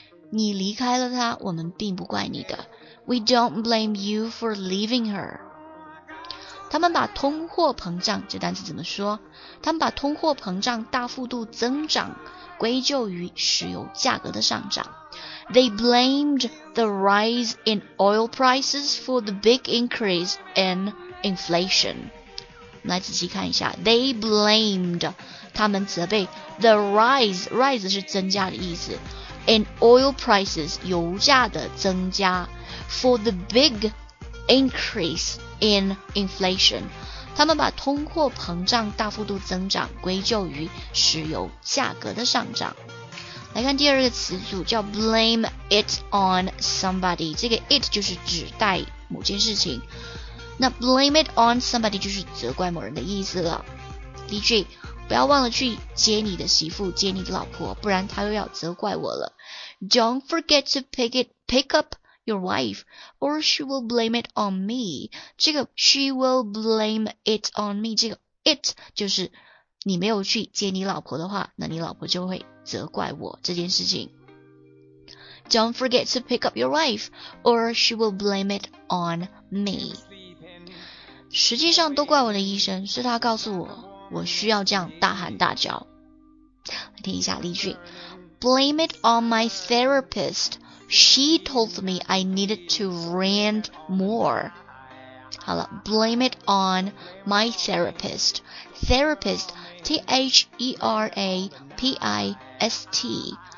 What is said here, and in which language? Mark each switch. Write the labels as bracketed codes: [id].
[zh] 你离开了他，我们并不怪你的。 [en] We don't blame you for leaving her。 [zh] 他们把通货膨胀，这单词怎么说？他们把通货膨胀大幅度增长归咎于石油价格的上涨。 [en] They blamed the rise in oil prices for the big increase in inflation。 [zh] 来仔细看一下 [en] They blamed [zh] 他们责备 [en] The rise [zh] 是增加的意思 [en] In oil prices [zh] 油价的增加 [en] For the big increase in inflation [zh] 他们把通货膨胀大幅度增长归咎于石油价格的上涨。来看第二个词组叫 [en] blame it on somebody， [zh] 这个 it 就是指代某件事情，那 blame it on somebody 就是责怪某人的意思了。例句：不要忘了去接你的媳妇，接你的老婆，不然她又要责怪我了。 [en] Don't forget to pick up your wife, or she will blame it on me. [zh] 这个 [en] she will blame it on me， [zh] 这个 it 就是你没有去接你老婆的话，那你老婆就会责怪我这件事情。 [en] Don't forget to pick up your wife, or she will blame it on me. [zh] 实际上都怪我的医生，是他告诉我我需要这样大喊大叫。来听一下例句： [en] Blame it on my therapist. She told me I needed to rant more. [zh] 好了， [en] Blame it on my therapist. Therapist, T-H-E-R-A-P-I-S-T.